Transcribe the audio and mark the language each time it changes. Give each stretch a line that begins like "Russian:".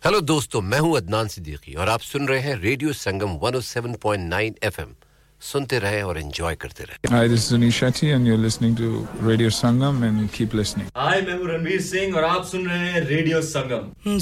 Hindi: Hello दोस्तों मैं हूं अदनान सिद्दीकी और आप सुन रहे हैं रेडियो संगम 107.9 FM. सुनते रहे और एंजॉय करते रहे.
English: Hi, this is Anish Shetty and you're listening to Radio Sangam and keep listening.
Hindi: Hi, मैं हूं रणवीर सिंह और आप सुन रहे हैं रेडियो संगम.